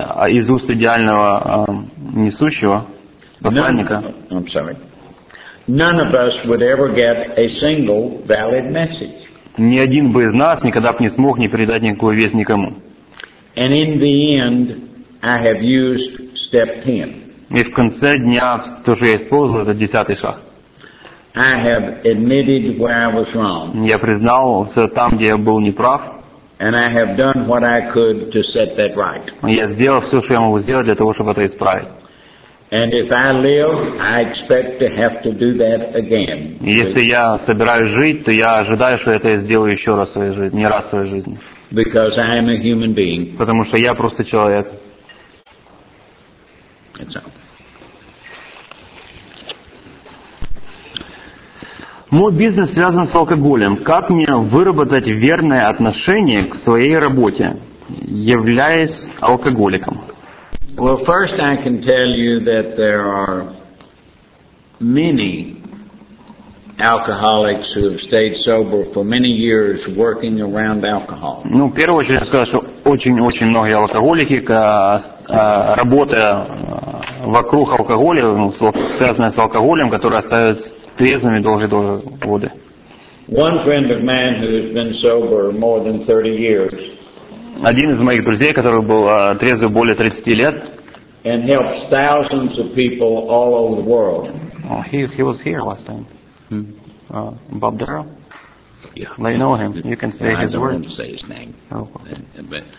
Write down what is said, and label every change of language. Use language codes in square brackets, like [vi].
[ru] из уст идеального несущего посланника, [en] none of us would ever get a single valid message. [ru] Ни один бы из нас никогда бы не смог не передать никакую весть никому. [en] And in the end, I have used step 10. [ru] И в конце дня то, что я использовал, это десятый шаг. [en] I have admitted where I was wrong. [ru] Я признал там, где я был неправ. [en] And I have done what I could to set that right. [ru] Я сделал все, что я могу сделать для того, чтобы это исправить. [en] And if I live, I expect to have to do that again. [ru] Если я собираюсь жить, то я ожидаю, что это я сделаю еще раз в своей жизни, не раз в своей жизни. [en] Because I am a human being. [ru] Потому что я просто человек. [en] That's all. [ru] Мой бизнес связан с алкоголем. Как мне выработать верное отношение к своей работе, являясь алкоголиком? [en] Well, first I can tell you that there are many alcoholics who have stayed sober for many years working around alcohol. [ru] Ну, в первую очередь, я скажу, что очень-очень многие алкоголики, работая вокруг алкоголя, связанные с алкоголем, которые остаются трезвыми долгие-долгие годы. [en] One friend of mine who has been sober more than 30 years. [ru] Один из моих друзей, который был трезвый более 30 лет. [en] And helps thousands of people all over the world. Oh, he was here last time. Bob Darrow? Yeah. They know him. You can say his word. I don't want to say his name.